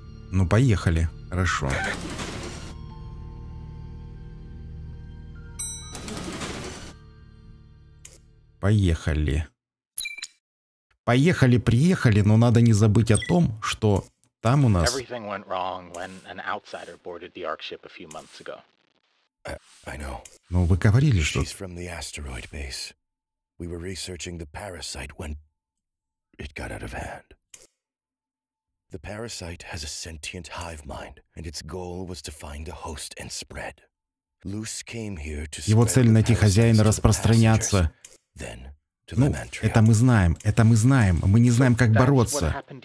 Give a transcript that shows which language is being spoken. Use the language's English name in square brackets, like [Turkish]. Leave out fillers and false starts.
[Russian] Ну, поехали. Хорошо. Поехали. Поехали, приехали, но надо не забыть о том, что там у нас... [English] Everything went wrong when an outsider boarded the Ark ship a few months ago. I know. [Russian] Ну, вы говорили, что... [English] She's from the asteroid base. We were researching the parasite when it got out of hand. The parasite has a sentient hive mind, and its goal was to find a host and spread. Luce came here to... [Russian] Его цель найти хозяина, распространяться. [English] Then... [Russian] Ну, это мы знаем, это мы знаем. Мы не знаем, как бороться.